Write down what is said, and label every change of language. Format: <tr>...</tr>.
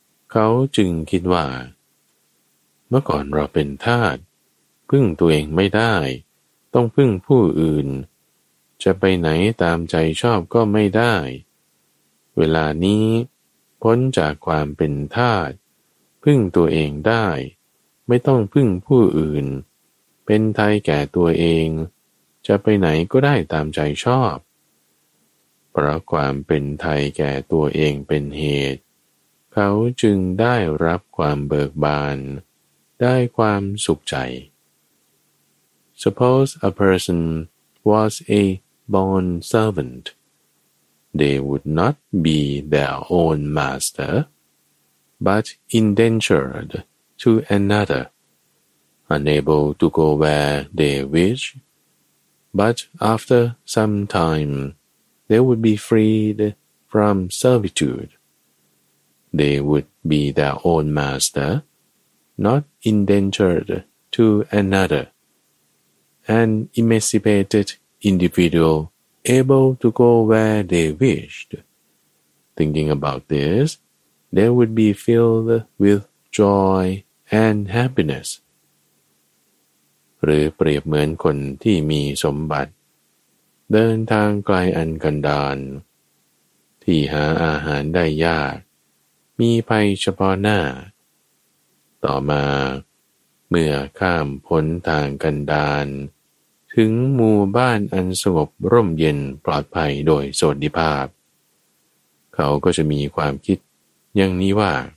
<th>เขาจึงคิดว่าเมื่อก่อนเราเป็นทาสพึ่งตัวเองไม่ได้ต้องพึ่งผู้อื่นจะไปไหนตามใจชอบก็ไม่ได้เวลานี้พ้นจากความเป็นทาสพึ่งตัวเองได้ไม่ต้องพึ่งผู้อื่นเป็นไทยแก่ตัวเองจะไปไหนก็ได้ตามใจชอบ เพราะความเป็นไทยแก่ตัวเองเป็นเหตุเขาจึงได้รับความเบิกบานได้ความสุขใจ</th> <en>Suppose a person was a born servant. They would not be their own master, but indentured to another, unable to go where they wish. But after some timeThey would be freed from servitude. They would be their own master, not indentured to another. An emancipated individual able to go where they wished. Thinking about this, they would be filled with joy and happiness.</en> <th>หรือเปรียบเหมือนคนที่มีสมบัติเดินทางไกลอันกันดารที่หาอาหารได้ยาก มีภัยเฉพาะหน้าต่อมาเมื่อข้ามพ้นทางกันดารถึงหมู่บ้านอันสงบร่มเย็นปลอดภัยโดยสวัสดิภาพเขาก็จะมีความคิดอย่างนี้ว่า</th>